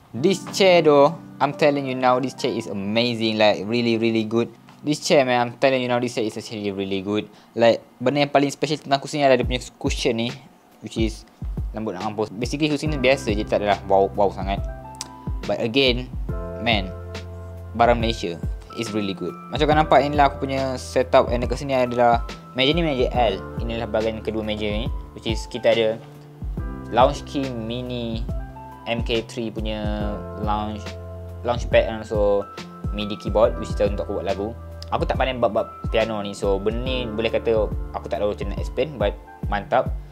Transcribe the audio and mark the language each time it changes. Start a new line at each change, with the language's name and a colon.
English: This chair though, I'm telling you now, this chair is amazing, like really really good. This chair man, I'm telling you now, this chair is actually really good.
Malay: Like, benda yang paling special tentang kursi ni adalah dia punya cushion ni, which is lembut nak mampus. Basically kursi ni biasa je, tak adalah wow sangat.
English: But again, man, barang Malaysia, is really good.
Malay: Macam kau nampak, inilah aku punya setup. And dekat sini adalah meja ni, meja L. Inilah bahagian kedua meja ni, which is kita ada lounge key mini MK3 punya launchpad, and also MIDI keyboard, which is untuk aku buat lagu. Aku tak pandai bab-bab piano ni, so benda ni boleh kata aku tak tahu macam nak explain, but mantap.